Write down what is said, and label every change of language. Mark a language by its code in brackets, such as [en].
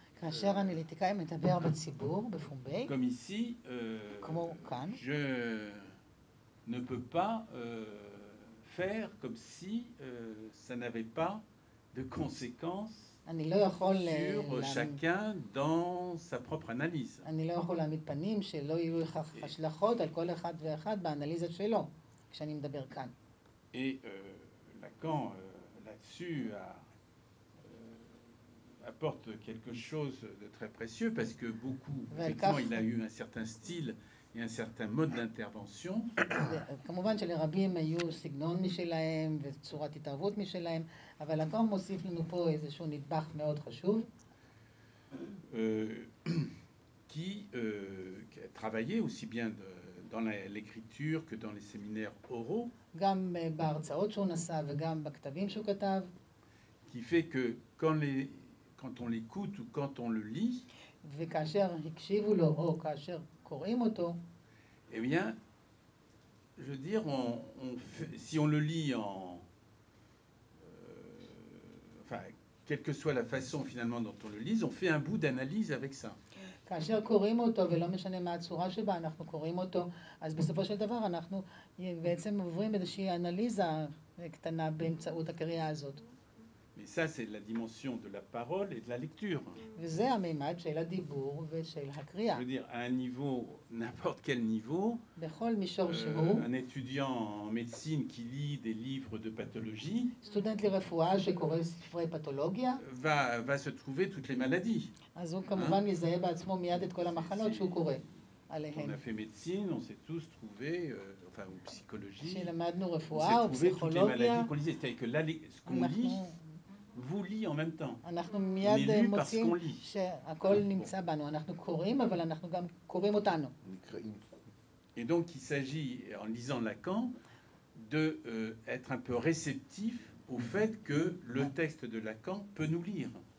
[he] כאשר אני ליטיקאי מדבר בציבור, בפומבי, [fr] comme ici, [he] כמו כאן, [fr] je ne peux pas faire comme si ça n'avait pas de conséquences [he] אני לא יכול [fr] sur chacun dans sa propre analyse. [he] אני לא יכול להעמיד פנים שלא יהיו לך השלכות על כל אחד ואחד באנליזה שלו, כשאני מדבר כאן. [fr] Et Lacan là-dessus apporte quelque chose de très précieux parce que beaucoup, effectivement, il a eu un certain style et un certain mode d'intervention. [he] כמובן שלרבים היו סגנון משלהם וצורת התערבות משלהם, אבל Lacan מוסיף לנו פה איזשהו נדבך מאוד חשוב. [fr] Qui a travaillé aussi bien de dans l'écriture que dans les séminaires oraux, qui fait que quand on l'écoute ou quand on le lit, eh bien, je veux dire, si on le lit quelle que soit la façon finalement dont on le lit, on fait un bout d'analyse avec ça. [he] כאשר קוראים אותו ולא משנה מה הצורה שבה אנחנו קוראים אותו, אז בסופו של דבר אנחנו בעצם עוברים איזושהי אנליזה קטנה באמצעות הקריאה הזאת. [fr] Mais ça, c'est la dimension de la parole et de la lecture. [he] וזה המימד של הדיבור ושל הקריאה. [fr] Je veux dire, à un niveau, n'importe quel niveau, [he] בכל מישור שהוא, [fr] un étudiant en médecine qui lit des livres de pathologie, [he] סטודנט לרפואה שקורא ספרי פתולוגיה, [fr] va se trouver toutes les maladies. [he] אז הוא כמובן יזהה בעצמו מיד את כל המחלות שהוא קורא. [fr] On a fait médecine, on s'est tous trouvés, enfin, ou psychologie, on s'est trouvé toutes les maladies qu'on lisait. C'est-à-dire que là, ce qu'on lit, vous lit en même temps. On est lu parce qu'on lit. [he] שהכל נמצא בנו. אנחנו קוראים, אבל אנחנו גם קוראים אותנו. [fr] Et donc, il s'agit, en lisant Lacan, de être un peu réceptif au fait que le texte de Lacan peut nous lire.